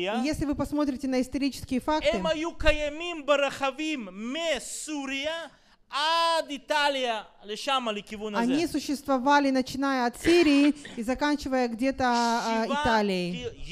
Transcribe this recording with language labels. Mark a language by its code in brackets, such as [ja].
[ru] Если вы посмотрите на исторические факты, [he] הם היו קיימים ברחבים מסוריה, [ru] Они существовали, начиная от Сирии и заканчивая где-то Италией.